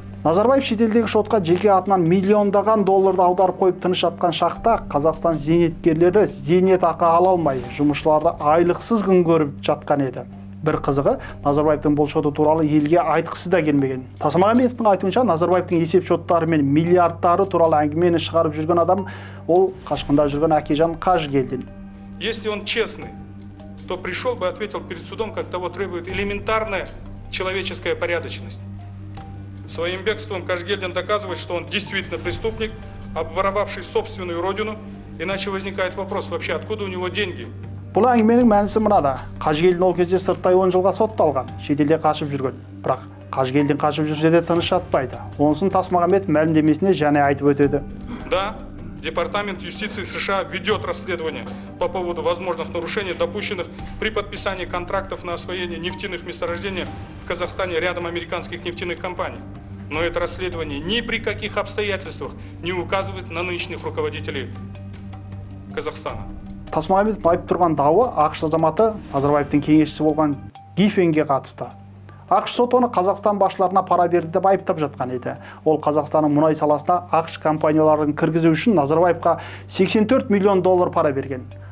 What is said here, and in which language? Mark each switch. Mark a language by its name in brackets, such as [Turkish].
[Kazakh] Назарбаев шетелдегі шотқа жеке атынан миллиондаған долларды аударып қойып тыныш жатқан шақта Қазақстан зейнеткерлері зейнетақы ала алмай, жұмысшылары айлықсыз күн көріп жатқан еді. Бір қызығы, Назарбаевтың бұл шоты туралы елге айтқысы да келмеген. Тасмағамбетовтың айтуынша, Назарбаевтың есеп шоттары мен миллиардтары туралы әңгімені шығарып жүрген адам ол қашқында жүрген Әкежан Қажыгелдин. [Russian] Если он честный, то пришел бы, ответил перед судом, как того требует элементарная человеческая порядочность. Своим бегством Қажыгелдин доказывает, что он действительно преступник, обворовавший собственную родину, иначе возникает вопрос, вообще откуда у него деньги? [Kazakh] Бұл әңгіменің мәнісі мынада. Қажыгелдин ол кезде сырттай 10 жылға сотталған, шетелде қашып жүрген. Бірақ Қажыгелдин қашып жүрсе де тыныш жатпайды. Онысын Тасмағамбет мәлімдемесіне және айтып өтеді. [Russian] Да, департамент юстиции США ведет расследование по поводу возможных нарушений, допущенных при подписании контрактов на освоение нефтяных месторождений в Казахстане рядом американских нефтяных компаний. Но это расследование ни при каких обстоятельствах не указывает на нынешних руководителей Казахстана. [Kazakh] Тасмағамбет байып тұрған дауы ақш азаматы Назарбаевтың кеңесшісі болған Гифенге қатысты. Ақш сот оны Қазақстан басшыларына пара берді деп айыптап жатқан еді. Ол Қазақстанның мұнай саласына ақш компанияларын кіргізу үшін Назарбаевқа 84 миллион доллар пара берген.